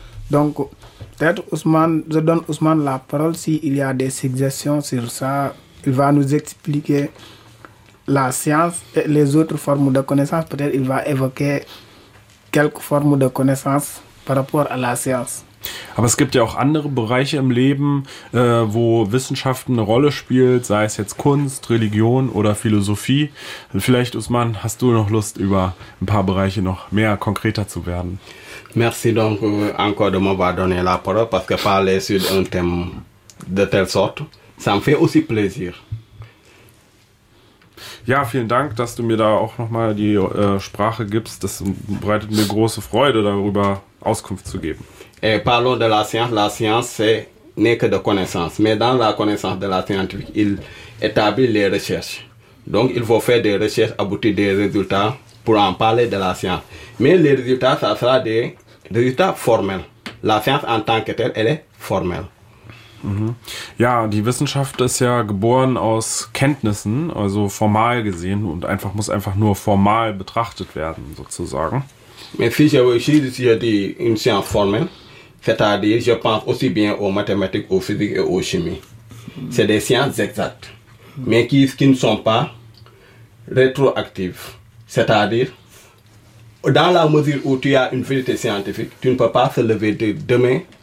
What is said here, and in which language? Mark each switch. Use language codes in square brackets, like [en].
[fr] Donc peut-être Ousmane, je donne Ousmane la parole s'il y a des suggestions sur ça. Il va nous expliquer la science et les autres formes de connaissance. Peut-être il va évoquer quelques formes de connaissance par rapport à la science. [de] Aber es gibt ja auch andere Bereiche im Leben, wo Wissenschaften eine Rolle spielt, sei es jetzt Kunst, Religion oder Philosophie. Vielleicht, Ousmane, hast du noch Lust, über ein paar Bereiche noch mehr konkreter zu werden? [fr] Merci donc encore de m'avoir donné la parole, parce que parler sur un thème de telle sorte, ça me fait aussi plaisir. [de] Ja, vielen Dank, dass du mir da auch nochmal die Sprache gibst. Das bereitet mir große Freude, darüber Auskunft zu geben. [fr] Et parlons de la science c'est n'est que de connaissance. Mais dans la connaissance de la scientifique, il établit les recherches. Donc il faut faire des recherches, aboutir des résultats pour en parler de la science. Mais les résultats, ça sera des résultats formels. La science en tant que telle, elle est formelle. [de] Ja, die Wissenschaft ist ja geboren aus Kenntnissen, also formal gesehen, und einfach muss einfach nur formal betrachtet werden, sozusagen. [fr] Mais si je dis une science formelle, c'est-à-dire je pense aussi bien aux mathématiques, aux physiques et aux chimies. C'est des sciences exactes, mais qui ne sont pas rétroactives. C'est-à-dire, dans la mesure où tu as une vérité scientifique, tu ne peux pas se lever de demain.